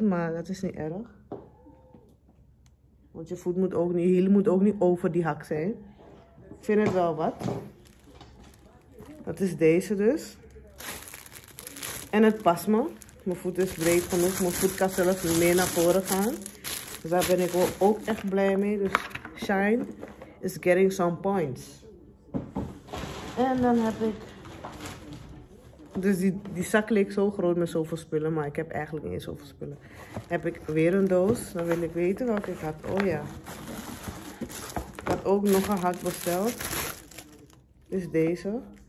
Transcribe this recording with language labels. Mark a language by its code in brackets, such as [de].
[nl] Maar dat is niet erg. Want je voet moet ook niet, je hielen moet ook niet over die hak zijn. Ik vind het wel wat. Dat is deze dus. En het past me. Mijn voet is breed genoeg. Mijn voet kan zelfs meer naar voren gaan. Dus daar ben ik ook echt blij mee. [en] Dus shine is getting some points. [nl] En dan heb ik... Dus die zak leek zo groot met zoveel spullen, maar ik heb eigenlijk niet eens zoveel spullen. Heb ik weer een doos, dan wil ik weten welke ik had. Oh ja. Ik had ook nog een hak besteld. Dus deze.